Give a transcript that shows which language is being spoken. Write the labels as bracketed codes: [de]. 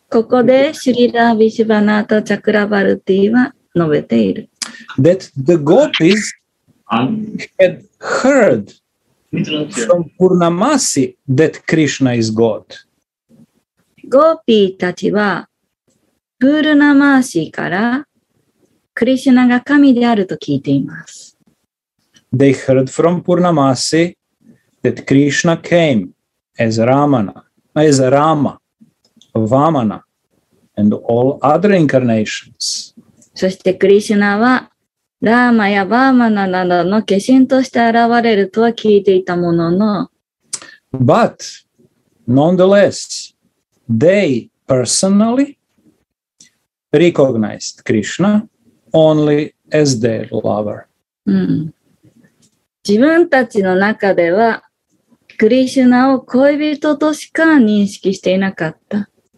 [ja] ここでシリラ・ビシュバナート・チャクラバルティは述べている。 [en] That the Gopis had heard from Purnamasi that Krishna is God. [ja] ゴーピーたちはプールナマーシーからクリシュナが神であると聞いています。 [en] They heard from Purnamasi that Krishna came as Ramana, as Rama, Vamana. And all other incarnations. [ja] そしてクリシュナはラーマやバーマナなどの化身として現れるとは聞いていたものの [en] But nonetheless, they personally recognized Krishna only as their lover. [ja] 自分たちの中ではクリシュナを恋人としか認識していなかった。